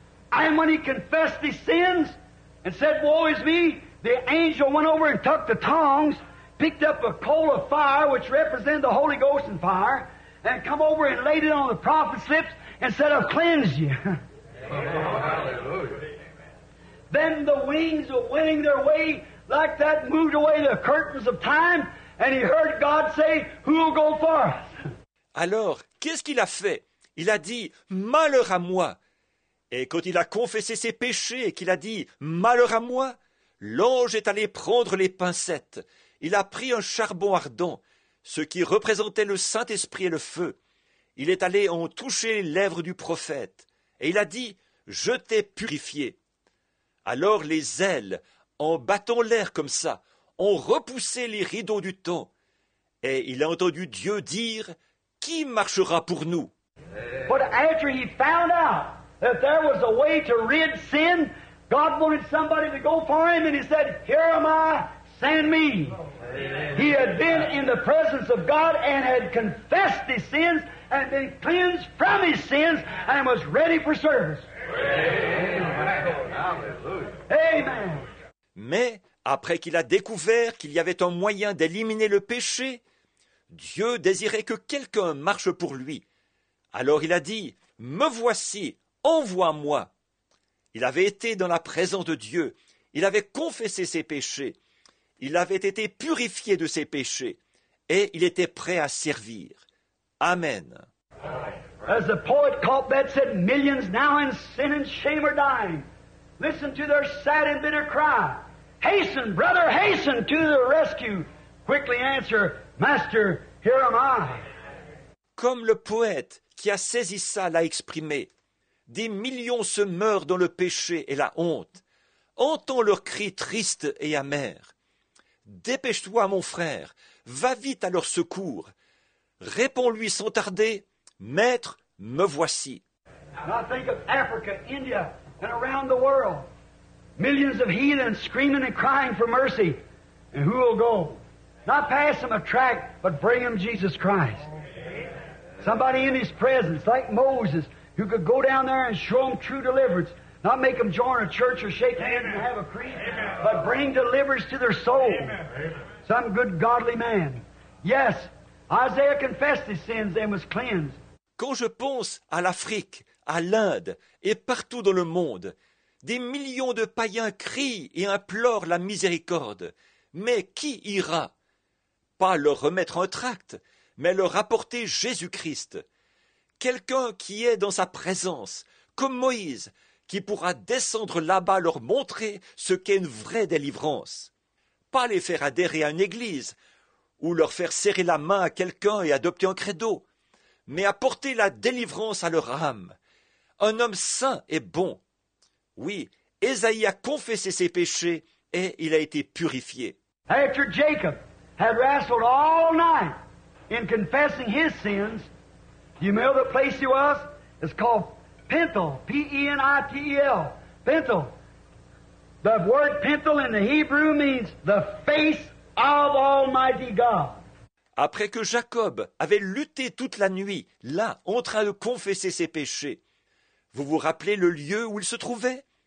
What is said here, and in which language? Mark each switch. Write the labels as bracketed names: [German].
[English] And when he confessed his sins and said, woe is me, the angel went over and took the tongs, picked up a coal of fire, which represented the Holy Ghost and fire, and come over and laid it on the prophet's lips and said, I'll cleanse you. Oh, hallelujah. Then the wings were winning their way like that, moved away the curtains of time, and he heard God say, who'll go for us? [French] Alors, qu'est-ce qu'il a fait? Il a dit, malheur à moi. Et quand il a confessé ses péchés et qu'il a dit, malheur à moi, l'ange est allé prendre les pincettes. Il a pris un charbon ardent, ce qui représentait le Saint-Esprit et le feu. Il est allé en toucher les lèvres du prophète. Et il a dit, je t'ai purifié. Alors les ailes, en battant l'air comme ça, ont repoussé les rideaux du temps. Et il a entendu Dieu dire, qui marchera pour nous? [English] But after he found out that there was a way to rid sin, God wanted somebody to go for him, and he said, here am I, send me. Amen. He had been in the presence of God and had confessed his sins and been cleansed from his sins and was ready for service. Amen. Amen. [French] Mais après qu'il a découvert qu'il y avait un moyen d'éliminer le péché, Dieu désirait que quelqu'un marche pour lui. Alors il a dit, « Me voici, envoie-moi !» Il avait été dans la présence de Dieu, il avait confessé ses péchés, il avait été purifié de ses péchés, et il était prêt à servir. Amen. [English] As the poet Colbert said, « Millions now in sin and shame are dying. Listen to their sad and bitter cry. Hasten, brother, hasten to the rescue. Quickly answer, Master, here am I. » [French] Comme le poète qui a saisi ça l'a exprimé, des millions se meurent dans le péché et la honte. Entends leur cri triste et amer. Dépêche-toi, mon frère, va vite à leur secours. Réponds-lui sans tarder, Maître, me voici. [English] Now, I think of Africa, India, and around the world, millions of heathens screaming and crying for mercy. And who will go? Not pass them a tract, but bring them Jesus Christ. Somebody in his presence, like Moses, who could go down there and show them true deliverance, not make them join a church or shake hands and have a creed, Amen. But bring deliverance to their soul. Amen. Some good godly man. Yes, Isaiah confessed his sins and was cleansed. [French] Quand je pense à l'Afrique, à l'Inde et partout dans le monde, des millions de païens crient et implorent la miséricorde. Mais qui ira? Pas leur remettre un tract, mais leur apporter Jésus-Christ. Quelqu'un qui est dans sa présence, comme Moïse, qui pourra descendre là-bas leur montrer ce qu'est une vraie délivrance. Pas les faire adhérer à une église, ou leur faire serrer la main à quelqu'un et adopter un credo, mais apporter la délivrance à leur âme. Un homme saint et bon. Oui, Esaïe a confessé ses péchés et il a été purifié. [English] After Jacob had wrestled all night in confessing his sins, you know the place he was? It's called Penuel, P-E-N-I-T-E-L, Penuel. The word Penuel in the Hebrew means the face of Almighty God. [French] Après que Jacob avait lutté toute la nuit, là, en train de confesser ses péchés, vous vous rappelez le lieu où il se trouvait?